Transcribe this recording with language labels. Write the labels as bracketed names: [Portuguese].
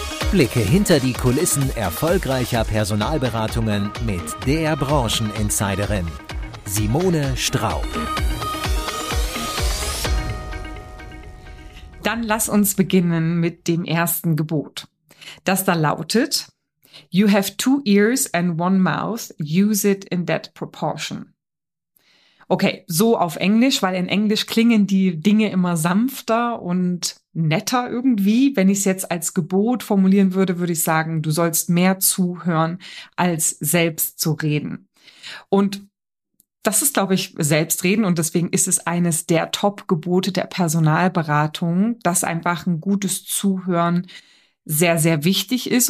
[German] Blicke hinter die Kulissen erfolgreicher Personalberatungen mit der Brancheninsiderin, Simone Straub. Dann lass uns beginnen mit dem ersten Gebot. Das da lautet: [English] You have 2 ears and 1 mouth, use it in that proportion. [German] Okay, so auf Englisch, weil in Englisch klingen die Dinge immer sanfter und netter irgendwie. Wenn ich es jetzt als Gebot formulieren würde, würde ich sagen, du sollst mehr zuhören, als selbst zu reden. Und das ist, glaube ich, Selbstreden und deswegen ist es eines der Top-Gebote der Personalberatung, dass einfach ein gutes Zuhören sehr, sehr wichtig ist.